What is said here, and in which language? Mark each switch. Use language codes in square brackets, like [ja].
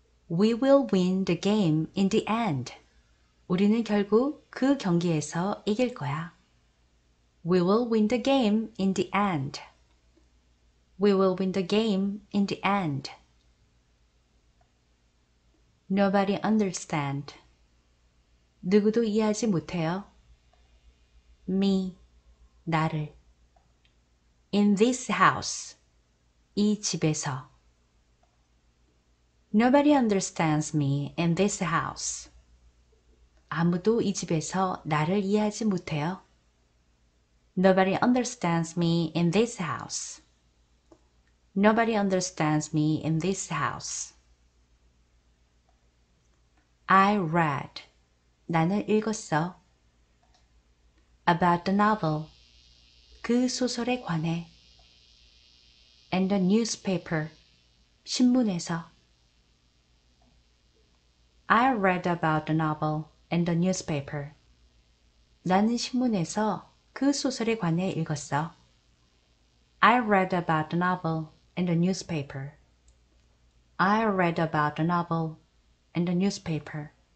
[en] We will win the game in the end. [ko] 우리는 결국 그 경기에서 이길 거야. [en] We will win the game in the end. We will win the game in the end. Nobody understand. [ko] 누구도 이해하지 못해요. [en] Me. [ko] 나를. [en] In this house. [ko] 이 집에서. [en] Nobody understands me in this house. [ko] 아무도 이 집에서 나를 이해하지 못해요. [en] Nobody understands me in this house. Nobody understands me in this house. I read. [ko] 나는 읽었어. [en] About the novel. [ko] 그 소설에 관해. [en] And the newspaper. [ko] 신문에서. [en] I read about the novel and the newspaper. [ko] 나는 신문에서 그 소설에 관해 읽었어. [en] I read about the novel and the newspaper. I read about the novel and the newspaper.